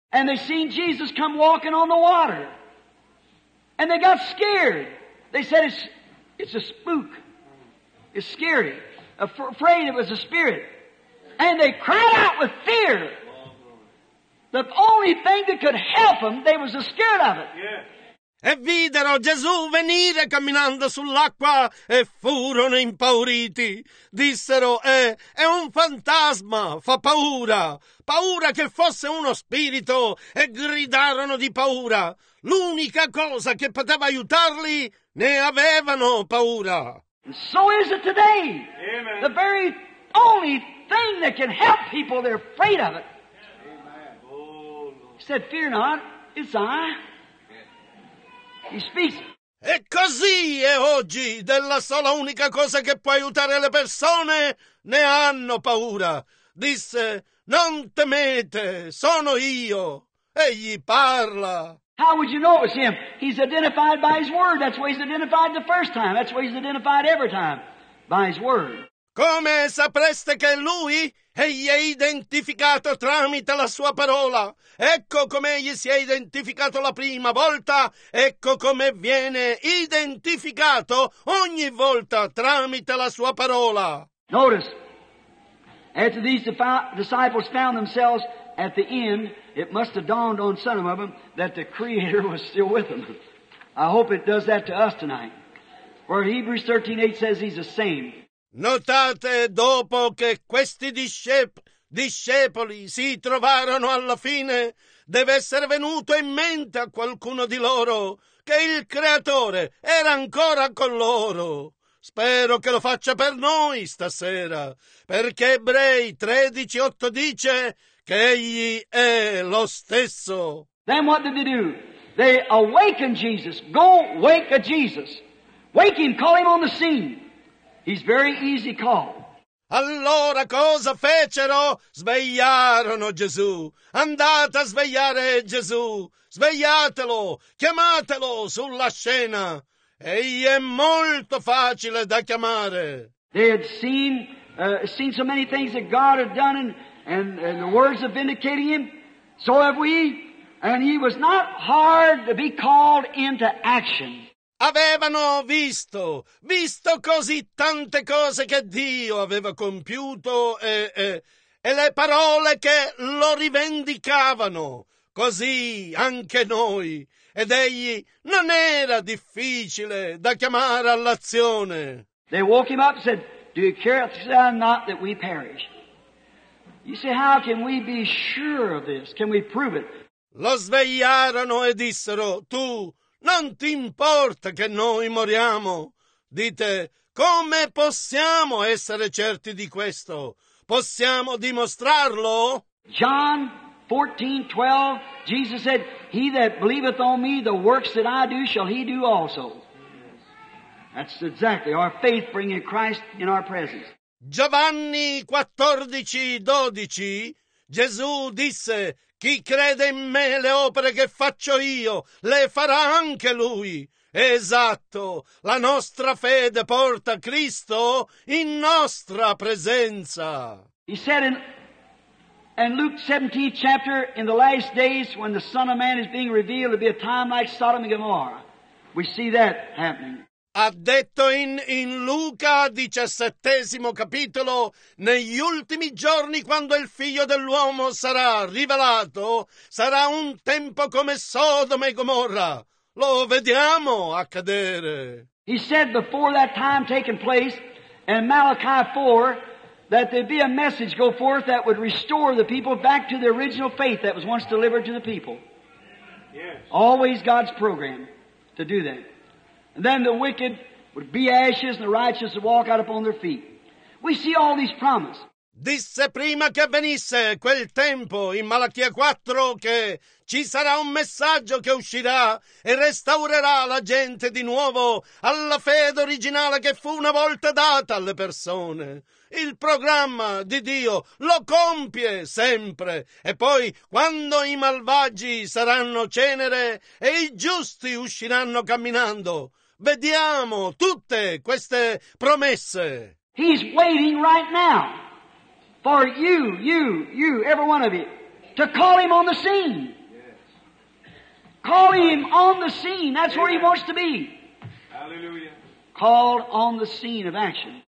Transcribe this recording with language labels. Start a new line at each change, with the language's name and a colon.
English: And they seen Jesus come walking on the water. And they got scared. They said it's a spook. It's scary. Afraid it was a spirit. And they cried out with fear. The only thing that could help them, they was scared of it.
Italian: E videro Gesù venire camminando sull'acqua e furono impauriti. Dissero, è un fantasma, fa paura. Paura che fosse uno spirito e gridarono di paura. L'unica cosa che poteva aiutarli, ne avevano paura.
English: And so is it today. Amen. The very only thing that can help people, they're afraid of it. Amen. He said, fear not, it's I. He speaks.
Italian: E così è oggi, della sola unica cosa che può aiutare le persone, ne hanno paura. Disse, non temete, sono io. Egli parla.
English: How would you know it was him? He's identified by his word. That's why he's identified the first time. That's why he's identified every time, by his word.
Italian: Come sapreste che lui? Egli è identificato tramite la sua parola. Ecco come egli si è identificato la prima volta. Ecco come viene identificato ogni volta tramite la sua parola.
English: Notice, after these disciples found themselves at the end, it must have dawned on some of them that the Creator was still with them. I hope it does that to us tonight. For Hebrews 13:8 says he's the same.
Italian: Notate, dopo che questi discepoli si trovarono alla fine, deve essere venuto in mente a qualcuno di loro che il Creatore era ancora con loro. Spero che lo faccia per noi stasera, perché Ebrei 13:8 dice che egli è lo stesso.
English: Then what did they do? They awakened Jesus. Go wake a Jesus. Wake him, call him on the scene. He's very easy call.
Italian: Allora cosa fecero? Svegliarono Gesù. Andate a svegliare Gesù. Svegliatelo. Chiamatelo sulla scena. Egli è molto facile da chiamare.
English: They had seen so many things that God had done and the words of vindicating him. So have we. And he was not hard to be called into action.
Italian: Avevano visto così tante cose che Dio aveva compiuto e le parole che lo rivendicavano, così anche noi. Ed egli non era difficile da chiamare all'azione.
English: They woke him up and said, do you care not that we perish? You say, how can we be sure of this? Can we prove it?
Italian: Lo svegliarono e dissero, tu non ti importa che noi moriamo. Dite, come possiamo essere certi di questo? Possiamo dimostrarlo?
English: John 14:12, Jesus said, he that believeth on me, the works that I do, shall he do also. That's exactly our faith bringing Christ in our presence.
Italian: Giovanni 14:12, Gesù disse, chi crede in me le opere che faccio io, le farà anche lui. Esatto, la nostra fede porta Cristo in nostra presenza.
English: He said in Luke 17, chapter, in the last days when the Son of Man is being revealed, it'll be a time like Sodom and Gomorrah. We see that happening.
Italian: Ha detto in Luca 17 capitolo, negli ultimi giorni quando il figlio dell'uomo sarà rivelato, sarà un tempo come Sodoma e Gomorra. Lo vediamo accadere.
English: He said before that time taking place, And Malachi 4, that there'd be a message go forth that would restore the people back to the original faith that was once delivered to the people. Yes. Always God's program to do that. And then the wicked would be ashes and the righteous would walk out upon their feet. We see all these promises.
Italian: Disse prima che venisse quel tempo in Malachia 4 che ci sarà un messaggio che uscirà e restaurerà la gente di nuovo alla fede originale che fu una volta data alle persone. Il programma di Dio lo compie sempre. E poi, quando i malvagi saranno cenere e i giusti usciranno camminando, vediamo tutte queste promesse.
English: He's waiting right now for you, you, you, every one of you, to call him on the scene. Call him on the scene. That's where he wants to be. Hallelujah. Called on the scene of action.